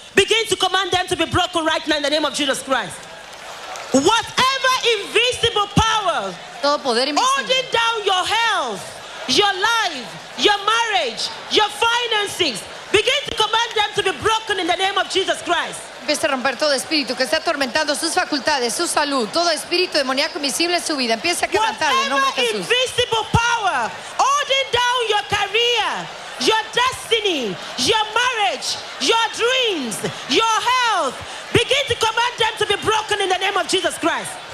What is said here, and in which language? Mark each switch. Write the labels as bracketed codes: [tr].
[en] Begin to command them to be broken right now in the name of Jesus Christ. Whatever invisible power [es] todo poder invisible [en] holding down your health, your life, your marriage, your finances, begin to command them to be broken in the name of Jesus Christ. [es] Empieza a romper todo espíritu que está atormentando sus facultades, su salud, todo espíritu demoníaco invisible en su vida. Empieza a quebrantar en nombre de Jesús. [en] Whatever invisible power holding down your career, your destiny, your marriage, your dreams, your health, begin to command them to be broken in the name of Jesus Christ.